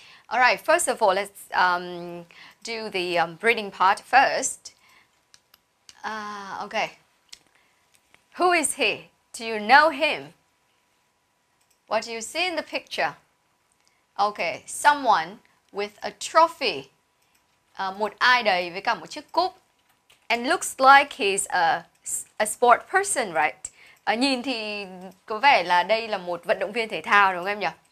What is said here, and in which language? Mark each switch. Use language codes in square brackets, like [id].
[en] All right, first of all, let's do the reading part first. Okay. Who is he? Do you know him? What do you see in the picture? Okay, someone with a trophy. [vi] Một ai đấy với cả một chiếc cúp. [en] And looks like he's a sport person, right? [vi] Nhìn thì có vẻ là đây là một vận động viên thể thao, đúng không em nhỉ?